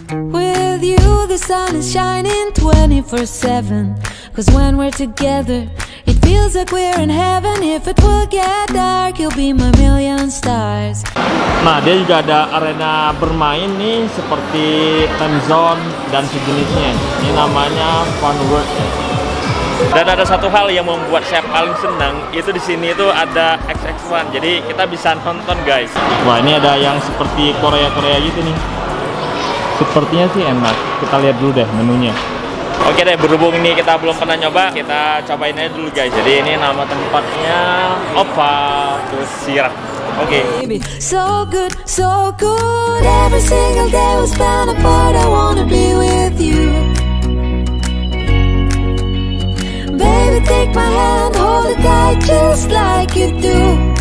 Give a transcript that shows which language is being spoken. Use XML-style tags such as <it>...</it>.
<en>With you the sun is shining 24/7. Cause when we're together, it feels like we're in heaven. If it will get dark, you'll be my million stars.</en> <id>Nah, dia juga ada arena bermain nih, seperti time zone dan sejenisnya. Ini namanya Fun World. Dan ada satu hal yang membuat saya paling senang, itu di sini itu ada XX1, jadi kita bisa nonton, guys. Wah, ini ada yang seperti Korea-Korea gitu nih. Sepertinya sih enak. Kita lihat dulu deh menunya. Oke deh, berhubung ini kita belum pernah nyoba, kita cobain aja dulu, guys. Jadi ini nama tempatnya Opa Kusirak.</id> <en>Oke. So good, so good. Every single day we stand apart, I wanna be with you. Baby, take my hand, hold it tight just like you do.</en>